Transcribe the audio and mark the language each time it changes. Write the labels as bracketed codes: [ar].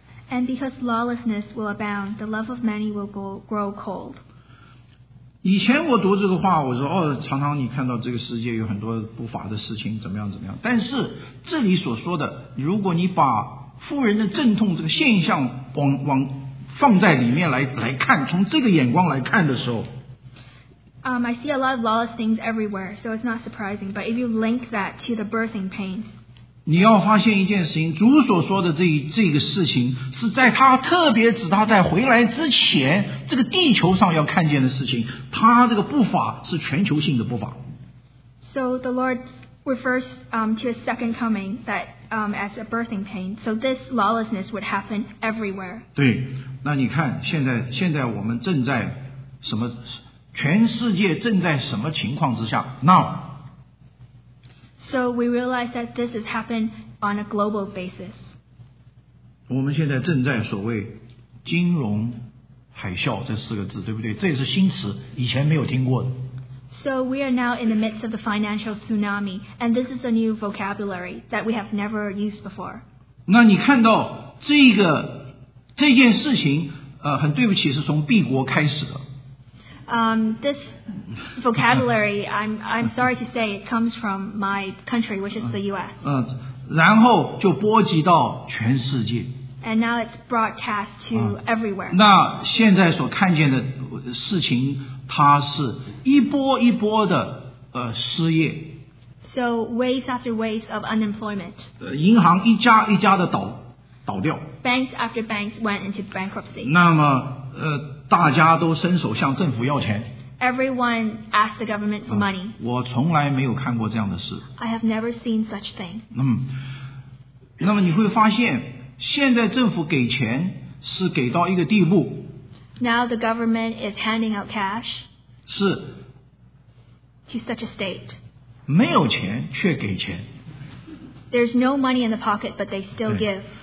[en] And because lawlessness will abound, the love of many will grow cold. [zh] 以前我读这个话，我说哦，常常你看到这个世界有很多不法的事情，怎么样怎么样。但是这里所说的，如果你把妇人的阵痛这个现象往放在里面来看，从这个眼光来看的时候。 [en] I see a lot of lawless things everywhere, so it's not surprising. But if you link that to the birthing pains. [zh] 你要发现一件事情，主所说的这个事情是在他特别指他在回来之前这个地球上要看见的事情，他这个不法是全球性的不法。 [en] So the Lord refers to a second coming that as a birthing pain, so this lawlessness would happen everywhere. [zh] 对，那你看现在我们正在什么，全世界正在什么情况之下 [en] now。 So we realize that this has happened on a global basis. [zh] 我们现在正在所谓金融海啸这四个字，对不对？这也是新词，以前没有听过的。 [en] So we are now in the midst of the financial tsunami, and this is a new vocabulary that we have never used before. [zh] 那你看到这件事情，很对不起，是从 B 国开始的。 [en] This vocabulary, I'm sorry to say, it comes from my country, which is the U.S. [zh] 然后就波及到全世界。 [en] And now it's broadcast to everywhere. [zh] 那现在所看见的事情，它是一波一波的失业。 [en] So waves after waves of unemployment. [zh] 银行一家一家的倒掉。 [en] Banks after banks went into bankruptcy. [zh] 那么大家都伸手向政府要钱。 [en] Everyone asked the government for money. [zh] 我从来没有看过这样的事。 [en] I have never seen such thing. [zh] 那么你会发现，现在政府给钱是给到一个地步。 [en] Now the government is handing out cash. [zh] 是。 [en] To such a state. [zh] 没有钱却给钱。 [en] There's no money in the pocket, but they still give.